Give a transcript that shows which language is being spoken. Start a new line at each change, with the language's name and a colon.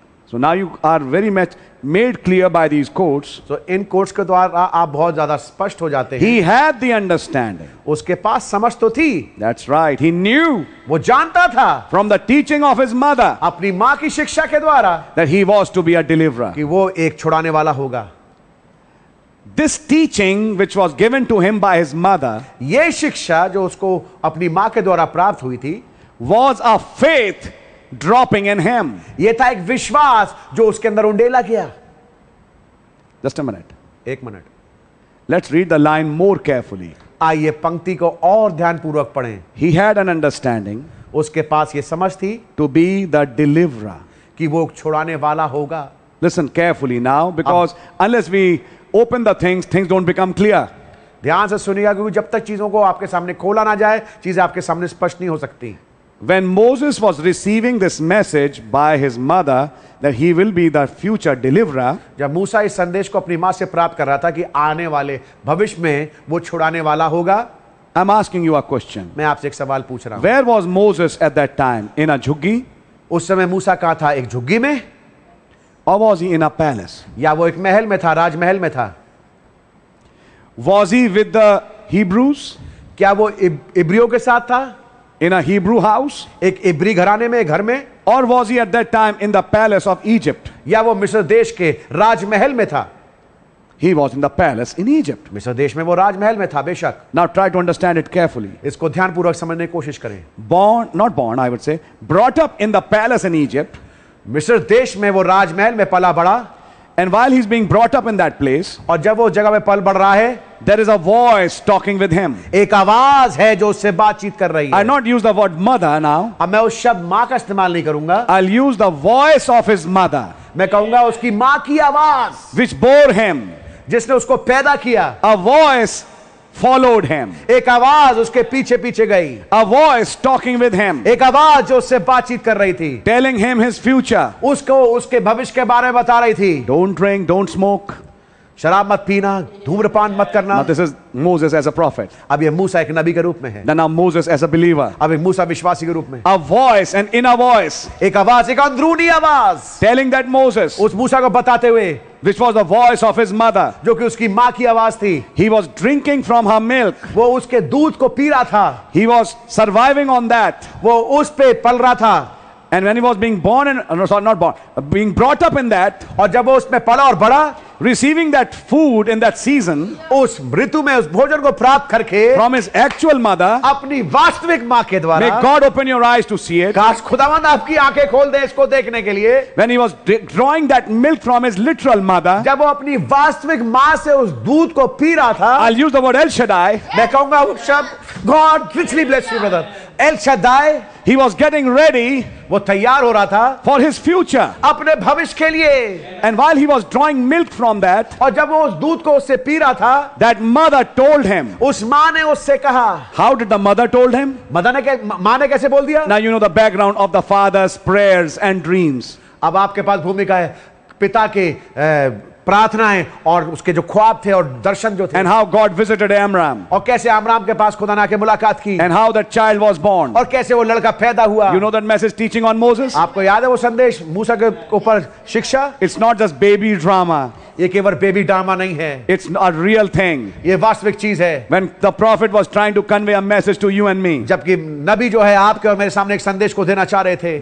English: So now you are very much made clear by these quotes.
Hindi: So in quotes के द्वारा आप बहुत ज़्यादा स्पष्ट हो जाते हैं.
English: He had the understanding.
Hindi: उसके पास समझ तो थी.
English: That's right. He knew.
Hindi: वो जानता था.
English: From the teaching of his mother.
Hindi: अपनी माँ की शिक्षा के द्वारा.
English: That he was to be a deliverer.
Hindi: कि वो एक छुड़ाने वाला होगा.
English: This teaching, which was given to him by his mother.
Hindi: ये शिक्षा जो उसको अपनी माँ के द्वारा प्राप्त हुई थी.
English: Was a faith. Dropping in him.
Hindi: ये था एक विश्वास जो उसके अंदर उंडेला गया.
English: Just a minute.
Hindi: एक minute.
English: Let's read the line more carefully.
Hindi: आइए पंक्ति को और ध्यानपूर्वक पढ़ें.
English: He had an understanding.
Hindi: उसके पास ये समझ थी.
English: To be the deliverer.
Hindi: कि वो छुड़ाने वाला होगा.
English: Listen carefully now, because unless we open the things, things don't become clear.
Hindi: ध्यान से सुनिएगा क्योंकि जब तक चीजों को आपके सामने खोला ना जाए, चीजें आपके सामने स्पष्ट नहीं हो सकती.
English: When Moses was receiving this message by his mother that he will be the future deliverer,
Hindi: जब मूसा इस संदेश को अपनी माँ से प्राप्त कर रहा था कि आने वाले भविष्य में वो छुड़ाने वाला होगा,
English: I'm asking you a question.
Hindi: मैं आपसे एक सवाल पूछ रहा हूँ.
English: Where was Moses at that time? In a jhuggi?
Hindi: उस समय मूसा कहाँ था? एक झुग्गी में?
English: Or was he in a palace?
Hindi: या वो एक महल में था, राजमहल में था?
English: Was he with the Hebrews?
Hindi: क्या वो इब्रियों के साथ था?
English: In a Hebrew house,
Hindi: एक इब्री घराने में, घर में,
English: or was he at that time in the palace of Egypt?
Hindi: या वो मिस्र देश के राजमहल में था?
English: He was in the palace in Egypt.
Hindi: मिस्र देश में वो राजमहल में था, बेशक.
English: Now try to understand it carefully.
Hindi: इसको ध्यानपूर्वक समझने की कोशिश करें.
English: Born, not born, I would say, brought up in the palace in Egypt.
Hindi: मिस्र देश में वो राजमहल में पला बड़ा.
English: And while he's being brought up in that place,
Hindi: और जब वो जगह में पल बढ़ रहा है,
English: there is a voice talking with him.
Hindi: एक आवाज है जो उससे बातचीत कर रही है.
English: I'll not use the word mother now.
Hindi: अब मैं उस शब्द माँ का इस्तेमाल नहीं करूँगा.
English: I'll use the voice of his mother.
Hindi: मैं कहूँगा उसकी माँ की आवाज.
English: Which bore him.
Hindi: जिसने उसको पैदा किया.
English: A voice followed him.
Hindi: एक आवाज उसके पीछे पीछे गई.
English: A voice talking with him.
Hindi: एक आवाज जो उससे बातचीत कर रही थी.
English: Telling him his future.
Hindi: उसको उसके भविष्य के बारे में बता रही थी.
English: Don't drink, don't smoke.
Hindi: शराब मत पीना, धूम्रपान मत करना.
English: Now this is Moses as a prophet.
Hindi: अब ये मूसा एक नबी के रूप में है.
English: Then now Moses as a believer.
Hindi: अब ये मूसा विश्वासी के रूप में.
English: A voice, an inner voice.
Hindi: एक आवाज, एक अंदरूनी आवाज.
English: Telling that Moses.
Hindi: उस मूसा को बताते हुए.
English: Which was the voice of his mother.
Hindi: जो कि उसकी माँ की आवाज थी.
English: He was drinking from her milk.
Hindi: वो उसके दूध को पी रहा था.
English: He was surviving on that.
Hindi: वो उस पे पल रहा था.
English: And when he was being born and no, sorry, not born, being brought up in that.
Hindi: और जब वो उसमें पला और बड़ा.
English: Receiving that food in that season.
Hindi: उस ऋतु में उस भोजन को प्राप्त करके.
English: From his actual mother.
Hindi: अपनी वास्तविक माँ के द्वारा.
English: May God open your eyes to see it.
Hindi: काश खुदावंद आपकी आंखें खोल दे इसको देखने के लिए.
English: When he was drawing that milk from his literal mother.
Hindi: जब वो अपनी वास्तविक माँ से उस दूध को पी रहा था.
English: I'll use the word El Shaddai.
Hindi: मैं कहूँगा वो शब्द.
English: God richly bless you, brother. El Shaddai. He was getting ready.
Hindi: वो तैयार हो रहा था.
English: For his future.
Hindi: अपने भविष्य के लिए.
English: And while he was drawing milk from that.
Hindi: और जब वो उस दूध को उससे पी रहा था.
English: That mother told him.
Hindi: उस माँ ने उससे कहा.
English: How did the mother told him?
Hindi: माँ ने कैसे बोल दिया?
English: Now you know the background of the father's prayers and dreams.
Hindi: अब आपके पास भूमिका है पिता के प्रार्थनाएं और उसके जो ख्वाब थे और दर्शन जो थे.
English: And how God visited Amram.
Hindi: और कैसे अमराम के पास खुदा ने आके मुलाकात की.
English: And how that child was born.
Hindi: और कैसे वो लड़का पैदा हुआ.
English: You know that message teaching on Moses?
Hindi: आपको याद है वो संदेश मूसा के ऊपर शिक्षा.
English: It's not just baby drama.
Hindi: ये केवल बेबी ड्रामा नहीं है.
English: It's a real thing.
Hindi: ये वास्तविक चीज है.
English: When the prophet was trying to convey a message to you and me.
Hindi: जबकि नबी जो है आपके और मेरे सामने एक संदेश को देना चाह रहे थे.